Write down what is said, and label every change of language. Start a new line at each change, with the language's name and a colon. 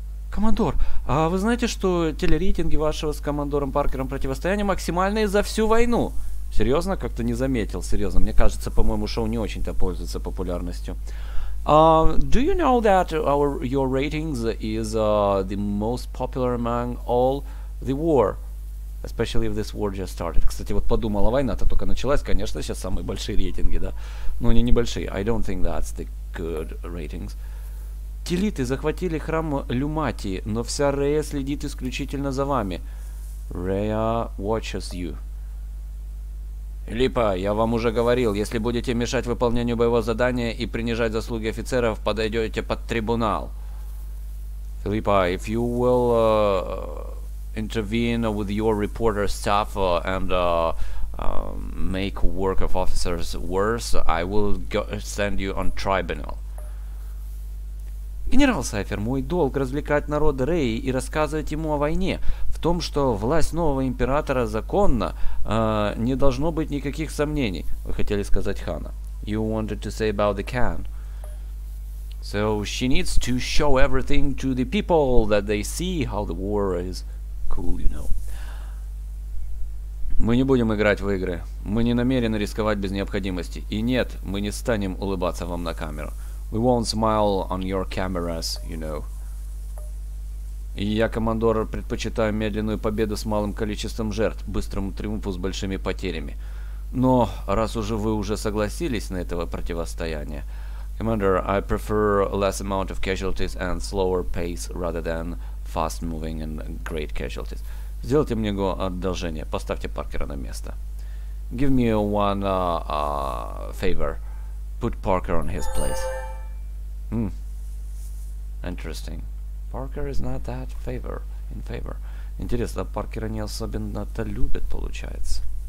Russian: Командор, а вы знаете, что телерейтинги вашего с командором Паркером противостояния максимальные за всю войну? Серьезно? Как-то не заметил. Серьезно. Мне кажется, по-моему, шоу не очень-то пользуется популярностью.
English: Do you know that your ratings is the most popular among all the war? Especially if this war just started.
Russian: Кстати, вот подумала, война-то только началась, конечно, сейчас самые большие рейтинги, да. Но они небольшие.
English: I don't think that's the good ratings.
Russian: Телиты захватили храм Люмати, но вся Рея следит исключительно за вами.
English: Рея watches you.
Russian: Липа, я вам уже говорил, если будете мешать выполнению боевого задания и принижать заслуги офицеров, подойдете под трибунал.
English: Philippa, if you will intervene with your reporter staff and make work of officers worse, I will send you on tribunal.
Russian: Генерал Сайфер, мой долг развлекать народ Рэй и рассказывать ему о войне, в том, что власть нового императора законна, не должно быть никаких сомнений. Вы хотели сказать хана.
English: You wanted to say about the Khan. So she needs to show everything to the people that they see how the war is cool, you know.
Russian: Мы не будем играть в игры. Мы не намерены рисковать без необходимости. И нет, мы не станем улыбаться вам на камеру.
English: We won't smile on your cameras, you know.
Russian: Я, командор, предпочитаю медленную победу с малым количеством жертв, быстрому триумфу с большими потерями. Но раз уже вы уже согласились на это противостояние...
English: Commander, I prefer less amount of casualties and slower pace rather than fast moving and great casualties.
Russian: Сделайте мне одолжение. Поставьте Паркера на место.
English: Give me one favor. Put Parker on his place. Interesting. Parker is not that in favor.
Russian: Интересно, Паркера не особенно-то любит, получается.